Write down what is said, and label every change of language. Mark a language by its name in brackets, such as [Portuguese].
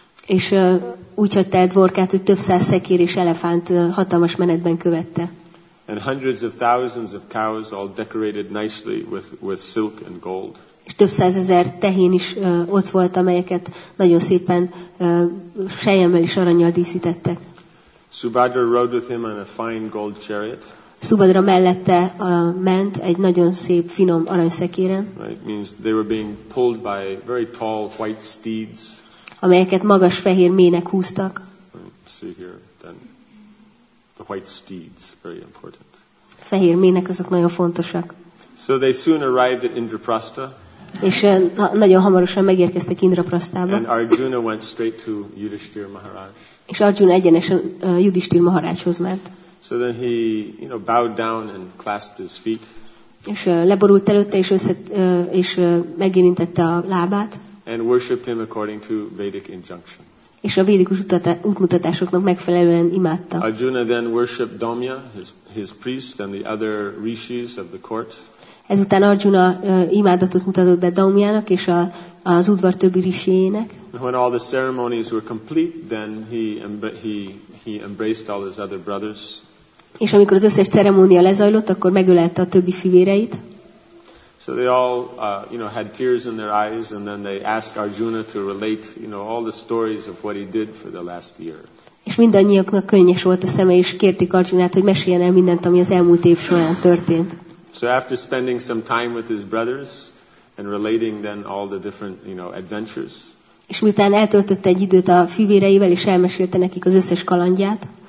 [Hungarian] És úgy hagyta Dvorkát, hogy több száz szekér és elefánt hatalmas menetben követte. [English] And hundreds of thousands of cows all decorated nicely with silk and gold. [Hungarian] És több százezer tehén is ott volt, amelyeket nagyon szépen sejemmel és aranyjal díszítettek. [English] Subhadra rode with him on a fine gold chariot. [Hungarian] Subhadra mellette ment egy nagyon szép finom aranyszekéren. [English] Right, means they were being pulled by very tall white steeds. [Hungarian] Amelyeket magas fehér mének húztak. [English] See here, then. The white steeds, very important. [Hungarian] Fehér mének, azok nagyon fontosak. [English] So they soon arrived at Indraprastha. [Hungarian] És nagyon hamarosan megérkeztek Indraprasthába. [English] And Arjuna went straight to Yudhishthira Maharaj. [Hungarian] És Arjuna egyenesen Yudhishthira Maharajhoz ment. [English] So then he, you know, bowed down and clasped his feet. [Hungarian] És leborult előtte, és megérintette a lábát. [English] And worshipped him according to Vedic injunction. [Hungarian] És a védikus útmutatásoknak megfelelően imádta. [English] Arjuna then worshipped Domya, his priest, and the other rishis of the court. [Hungarian] Ezután Arjuna imádatot mutatott be Domyának és az udvar többi rishijének. [English] When all the ceremonies were complete, then he embraced all his other brothers. [Hungarian] És amikor az összes ceremónia lezajlott, akkor megölelte a többi fivéreit. [English] So they all, you know, had tears in their eyes, and then they asked Arjuna to relate, you know, all the stories of what he did for the last year. [Hungarian] És mindannyiaknak könnyes volt a szeme, és kérték Arjunát, hogy meséljen el mindent, ami az elmúlt év során történt. [English] So after spending some time with his brothers and relating then all the different, you know, adventures. [Hungarian] És miután eltöltötte egy időt a fivéreivel, és elmesélte nekik az összes kalandját.